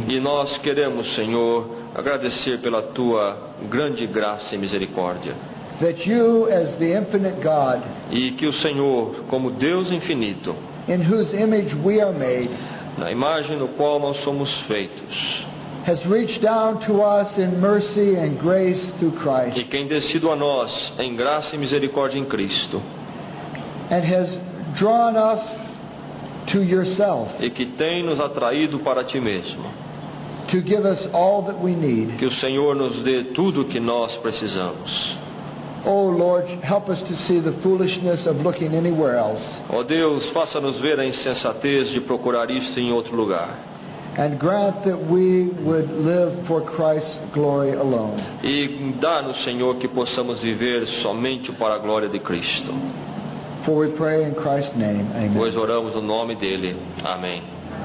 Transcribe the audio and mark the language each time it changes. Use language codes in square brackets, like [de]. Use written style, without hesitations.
[pt] E nós queremos, Senhor, agradecer pela tua grande graça e misericórdia. [en] That you, as the infinite God, [pt] e que o Senhor, como Deus infinito, [en] in whose image we are made, [pt] na imagem no qual nós somos feitos, [en] has reached down to us in mercy and grace through Christ. [pt] E quem descido a nós em graça e misericórdia em Cristo. [en] And has drawn us to yourself. [pt] E que tem nos atraído para ti mesmo. [en] To give us all that we need. [pt] Que o Senhor nos dê tudo o que nós precisamos. [en] Oh Lord, help us to see the foolishness of looking anywhere else. [pt] Oh Deus, faça-nos ver a insensatez de procurar isto em outro lugar. [en] And grant that we would live for Christ's glory alone. [pt] E dá-nos, Senhor, que possamos viver somente para a glória de Cristo. [en] For we pray in Christ's name. Amen. [pt] Pois oramos no nome dele. Amém.